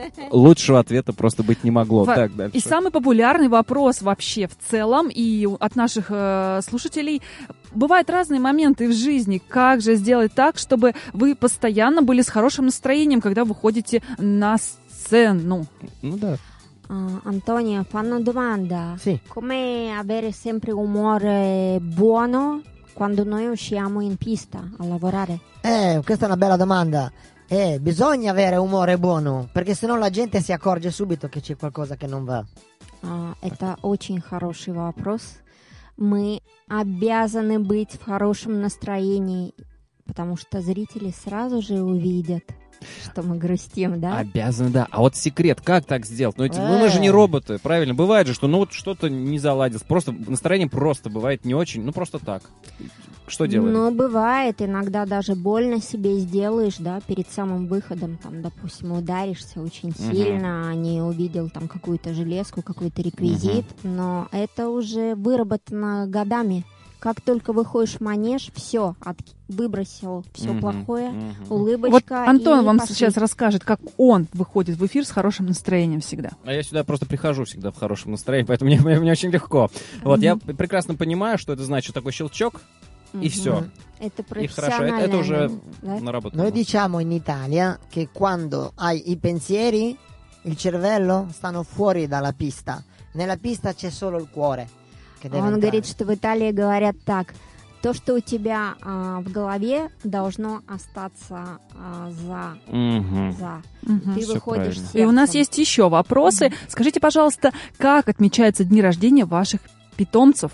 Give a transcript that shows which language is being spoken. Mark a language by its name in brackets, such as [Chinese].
[Russian] Лучшего ответа просто быть не могло. Так, дальше. И самый популярный вопрос вообще в целом и от наших слушателей. Бывают разные моменты в жизни. Как же сделать так, чтобы вы постоянно были с хорошим настроением, когда выходите на сцену? Ну да. [Italian] Антонио, fanno domanda. Sì. Come avere sempre umore buono quando noi usciamo in pista a lavorare? Questa è una bella domanda. Bisogna avere umore buono, perché sennò la gente si accorge subito che c'è qualcosa che non va. [Russian] Это очень хороший вопрос. Мы обязаны быть в хорошем настроении, потому что зрители сразу же увидят, что мы грустим, да? Обязаны, да. А вот секрет, как так сделать? Ну, мы же не роботы, правильно? Бывает же, что ну вот что-то не заладилось. Просто настроение просто бывает не очень, ну просто так. Что делаем? Ну, бывает, иногда даже больно себе сделаешь, да, перед самым выходом, там, допустим, ударишься очень сильно, uh-huh. не увидел там какую-то железку, какой-то реквизит, uh-huh. но это уже выработано годами. Как только выходишь в манеж, все, выбросил все uh-huh. плохое, uh-huh. улыбочка. Вот Антон вам пошли. Сейчас расскажет, как он выходит в эфир с хорошим настроением всегда. А я сюда просто прихожу всегда в хорошем настроении, поэтому мне очень легко. Вот, uh-huh. я прекрасно понимаю, что это значит, такой щелчок, и угу. все. Это профессионально. Это уже наработано. [Italian] Noi diciamo in Italia che quando hai i pensieri, il cervello stanno fuori dalla pista. Nella pista c'è solo il cuore. [Russian] Он говорит, что в Италии говорят так: то, что у тебя в голове, должно остаться за. Угу. За. Угу. Ты все выходишь. И у нас есть еще вопросы. Угу. Скажите, пожалуйста, как отмечаются дни рождения ваших питомцев?